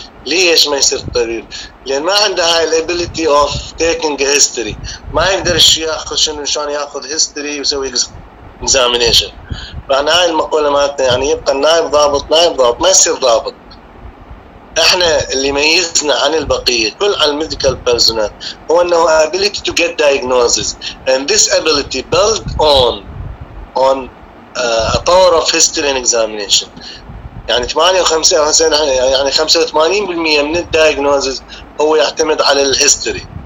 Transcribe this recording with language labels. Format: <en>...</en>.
<ar>ليش ما يصير طبيب؟ لان ما عنده هاي</ar> <en>الابيليتي of taking history</en> <ar>ما يقدر الشيء ياخذ شنو شلون ياخذ هيستوري ويسوي اكزامينيشن. فانا هاي المقوله مالتنا يعني يبقى النايب ضابط نايب ضابط ما يصير ضابط. احنا اللي ميزنا عن البقيه كل على الميديكال بيرسونال هو انه</ar> <en>ability to get diagnosis and this ability built on a power of history and examination.</en> <ar>يعني 85 يعني 85% من الدايجنوزز هو يعتمد على الهيستوري.</ar>